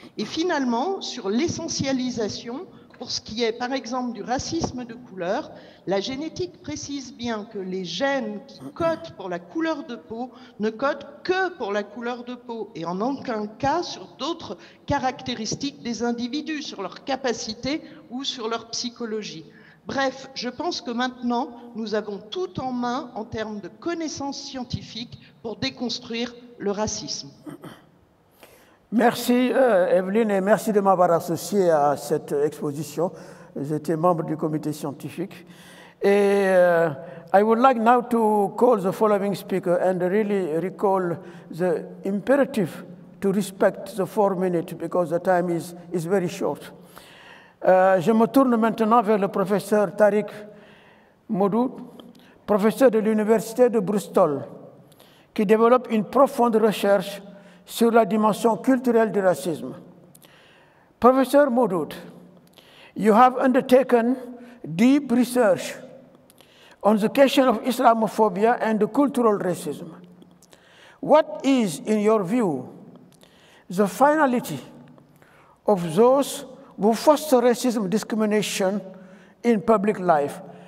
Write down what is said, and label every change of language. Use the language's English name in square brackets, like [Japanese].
[French] Et finalement, sur l'essentialisation, pour ce qui est par exemple du racisme de couleur, la génétique précise bien que les gènes qui codent pour la couleur de peau ne codent que pour la couleur de peau et en aucun cas sur d'autres caractéristiques des individus, sur leur capacité ou sur leur psychologie. Bref, je pense que maintenant, nous avons tout en main en termes de connaissances scientifiques pour déconstruire le racisme. Merci Evelyne et merci de m'avoir associé à cette exposition. J'étais membre du comité scientifique. [English] Et I would like now to call the following speaker and really recall the imperative to respect the 4 minutes because the time is very short. [French] Je me tourne maintenant vers le professeur Tariq Modoud, professeur de l'Université de Bristol, qui développe une profonde recherche sur la dimension culturelle du racisme. [English] Professeur Modoud, you have undertaken deep research on the question of Islamophobia and cultural racism. What is, in your view, the finality of those who foster racism discrimination in public life?